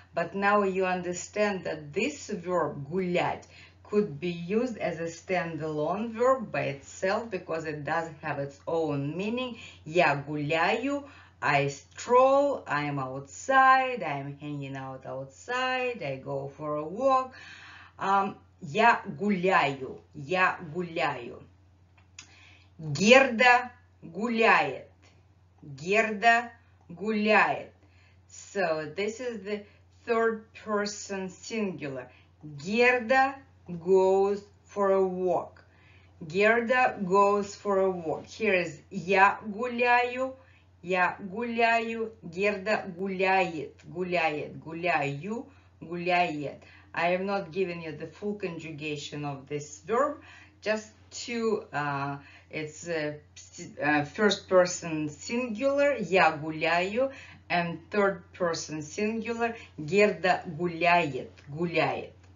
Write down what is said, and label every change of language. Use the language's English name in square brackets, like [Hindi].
[English] But now you understand that this verb, гулять, could be used as a standalone verb by itself because it does have its own meaning. [Russian] Я гуляю, [English] I stroll, I'm outside, I'm hanging out outside, I go for a walk. [Russian] Я гуляю, я гуляю. Герда гуляет, Герда гуляет. [English] So, this is the third person singular. Герда goes for a walk. Герда goes for a walk. Here is [Russian] я гуляю, Герда гуляет, гуляет, гуляю, гуляет. [English] I have not given you the full conjugation of this verb, just two, it's first person singular, [Russian] я гуляю, [English] and third person singular, [Russian] Герда гуляет, гуляет.